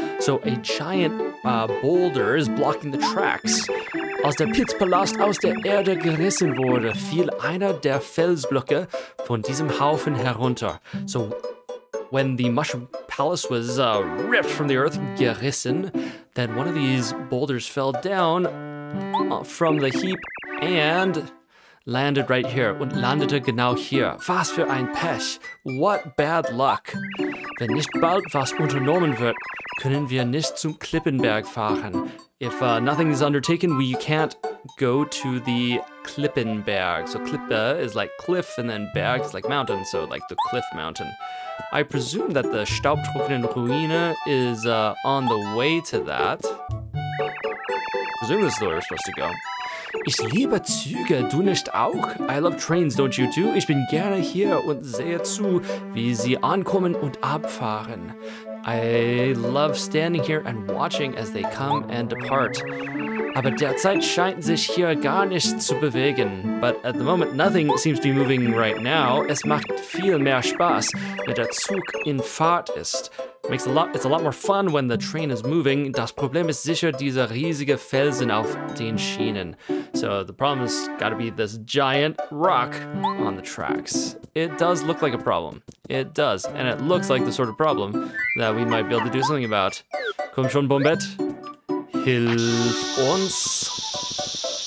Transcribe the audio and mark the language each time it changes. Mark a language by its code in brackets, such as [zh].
[en] So a giant boulder is blocking the tracks. [de] Als der Pilzpalast aus der Erde gerissen wurde, fiel einer der Felsblöcke von diesem Haufen herunter. [en] So, when the Mushroom Palace was ripped from the earth, [de] gerissen, [en] then one of these boulders fell down from the heap and landed right here. [de] Und landete genau hier. Was für ein Pech. [en] What bad luck. [de] Wenn nicht bald was unternommen wird, können wir nicht zum Klippenberg fahren. [en] If nothing is undertaken, we can't go to the Klippenberg. So Klippe is like cliff, and then Berg is like mountain, so like the cliff mountain. I presume that the staubtrockenen Ruine is on the way to that. I presume this is where we're supposed to go. [de] Ich liebe Züge, du nicht auch? [en] I love trains, don't you too? [de] Ich bin gerne hier und sehe zu, wie sie ankommen und abfahren. [en] I love standing here and watching as they come and depart. [de] Aber derzeit scheint sich hier gar nichts zu bewegen. [en] But at the moment, nothing seems to be moving right now. [de] Es macht viel mehr Spaß, wenn der Zug in Fahrt ist. [en] It's a lot more fun when the train is moving. [de] Das Problem ist sicher dieser riesige Felsen auf den Schienen. [en] So the problem has got to be this giant rock on the tracks. It does look like a problem. It does. And it looks like the sort of problem that we might be able to do something about. [de] Komm schon, Bombette. Hilf uns.